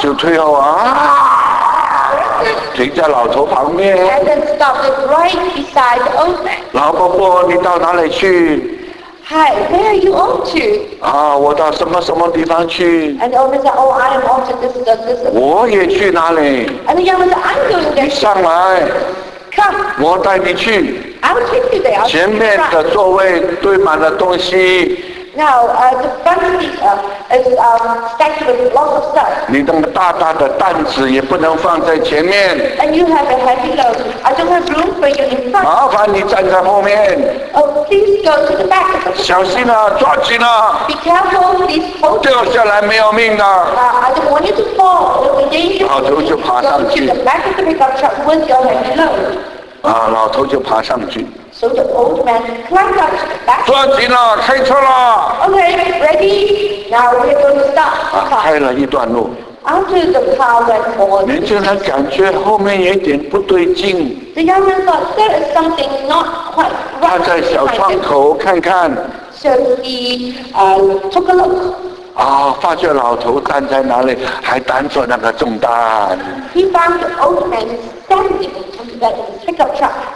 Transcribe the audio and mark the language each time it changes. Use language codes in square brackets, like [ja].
[zh] 就退后, 啊, 停在老头旁边。 [en] And then stopped it right beside the old man. [zh] 老伯伯, 你到哪里去? [en] Hi, where are you off to? [zh] 啊，我到什么什么地方去？ [en] And the old man said, Oh, I am off to this, this, this. [zh] 我也去哪里？ [en] And the young man said, I'm going there. [zh] 你上来。 [en] Come. [zh] 我带你去。 [en] I'll take you there. [zh] 前面的座位堆满了东西。 [en] Now, the front speaker is stacked with lots of stuff. [zh] 你那么大大的担子也不能放在前面。 [en] And you have a heavy load. I don't have room for you in front. [zh] 麻烦你站在后面。 [en] Oh, please go to the back. [zh] 小心啊，抓紧啊。 [en] Be careful, please hold. [zh] 掉下来没有命的。 [en] I don't want you to fall. It'll be dangerous. [zh] 老头就爬上去。 [en] Go to the back of the pickup truck with your heavy load. [zh] 啊，老头就爬上去。 [en] So the old man climbed up to the back. [zh] 抓紧了，开车了。 [en] Okay, ready. Now we're going to stop. [zh] 开了一段路。 [en] After the car went on. [zh] 年轻人感觉后面有点不对劲。 [en] The young man thought there is something not quite right. [zh] 他在小窗口看看。 [en] So he took a look. [zh] 啊，发觉老头站在哪里，还担着那个重担。 [en] He found the old man standing on the pickup truck.